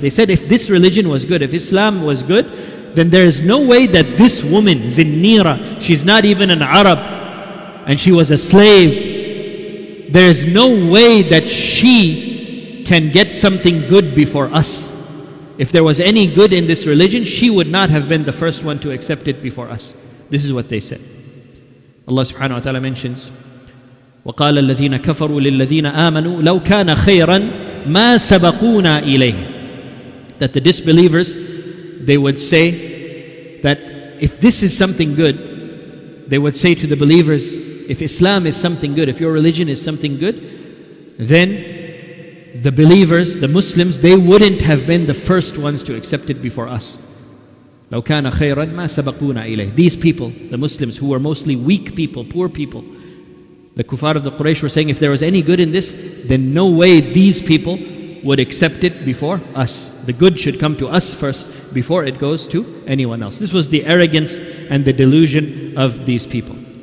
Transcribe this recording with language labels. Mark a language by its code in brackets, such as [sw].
[en] They said, if this religion was good, if Islam was good, then there is no way that this woman, Zinnira, she's not even an Arab, and she was a slave, there is no way that she can get something good before us. If there was any good in this religion, she would not have been the first one to accept it before us. This is what they said. Allah subhanahu wa ta'ala mentions, [ar] وقال الذين كفروا للذين آمنوا لو كان خيرا ما سبقونا إليه. [en] That the disbelievers, they would say that if this is something good, they would say to the believers, if Islam is something good, if your religion is something good, then the believers, the Muslims, they wouldn't have been the first ones to accept it before us. [ar] لو كان خيرا ما سبقونا إليه. [en] These people, the Muslims, who were mostly weak people, poor people, the kuffar of the Quraysh were saying, if there was any good in this, then no way these people would accept it before us. The good should come to us first before it goes to anyone else. This was the arrogance and the delusion of these people.